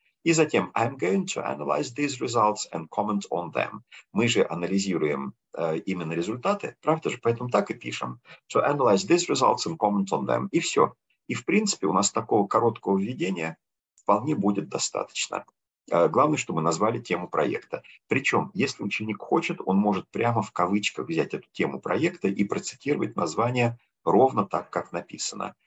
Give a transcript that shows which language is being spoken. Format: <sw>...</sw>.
<ru>И затем,</ru> <en>I'm going to analyze these results and comment on them.</en> <ru>Мы же анализируем именно результаты, правда же, поэтому так и пишем.</ru> <en>To analyze these results and comment on them.</en> <ru>И все. И в принципе у нас такого короткого введения вполне будет достаточно. Главное, чтобы назвали тему проекта. Причем, если ученик хочет, он может прямо в кавычках взять эту тему проекта и процитировать название ровно так, как написано.</ru>